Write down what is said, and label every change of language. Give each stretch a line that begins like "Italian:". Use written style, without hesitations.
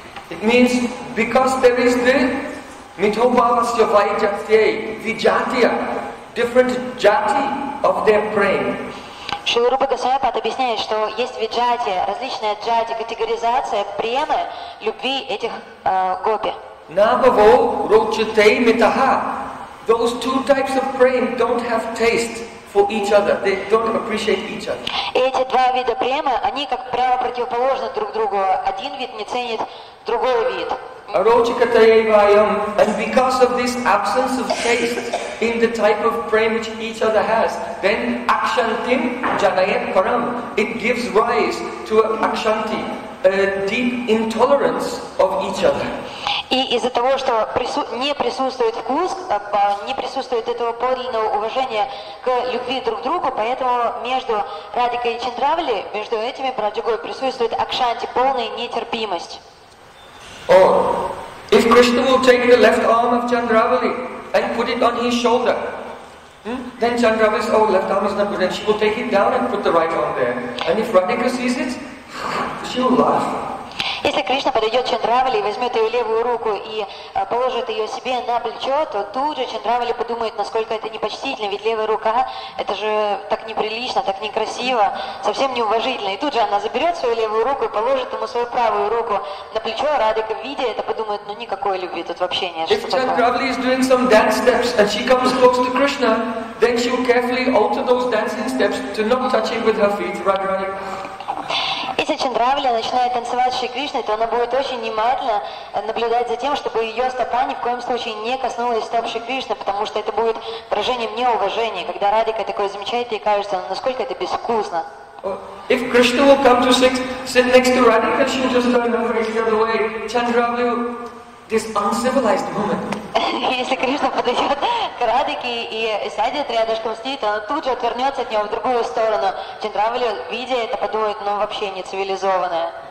English: It means because there is the
Sanskrit: mito bhavasya vaijatye vijatya,
English: different jati of their praying.
Russian: Шрила Рупа Госвами Пад объясняет, что есть виджати, различные джати, категоризация премы, любви этих гопи.
Sanskrit: Набаво рочатей митаха.
English: Those two types of prem don't have taste for each other. They don't appreciate each other.
Russian: Эти два вида премы, они как прямо противоположны друг другу. Один вид не ценит другой вид.
English: And because of this absence of taste in the type of prem which each other has, then
Sanskrit: akshantim janayat param,
English: it gives rise to akshanti, a deep intolerance of each other.
Russian: И из-за того, что не присутствует вкус, не присутствует этого подлинного уважения к любви друг к другу, поэтому между Радхикой и Чандравали, между этими братьями присутствует акшанти, полная нетерпимость.
English: Or if Krishna will take the left arm of Chandravali and put it on his shoulder, then Chandravali says, "Oh, left arm is not good." And she will take it down and put the right arm there. And if Radhika sees it, she will laugh.
Russian: Если Кришна подойдет к Чандравали и возьмет ее левую руку и положит ее себе на плечо, то тут же Чандравали подумает, насколько это непочтительно, ведь левая рука — это же так неприлично, так некрасиво, совсем неуважительно. И тут же она заберет свою левую руку и положит ему свою правую руку на плечо, а Радика, видя это, подумает, ну никакой любви тут вообще нет. Если
English: Чандравали is doing some dance steps and she comes close to Krishna, then she will carefully alter those dancing steps to not touch him with her feet. Radharani.
Russian: Если Чандравали начинает танцевать с Шри Кришной, то она будет очень внимательно наблюдать за тем, чтобы ее стопа ни в коем случае не коснулась стоп Шри Кришны, потому что это будет выражением неуважения, когда Радика такое замечает, ей кажется, насколько это безвкусно.
English: If Krishna will come to sit next to Radhika, she'll just turn over the other way. Chandravali, this uncivilized woman.
Russian: Если Кришна подойдет к Радике и сядет рядышком с ней, то она тут же отвернется от него в другую сторону. Чандравали, видя это, подумает, ну вообще не цивилизованная.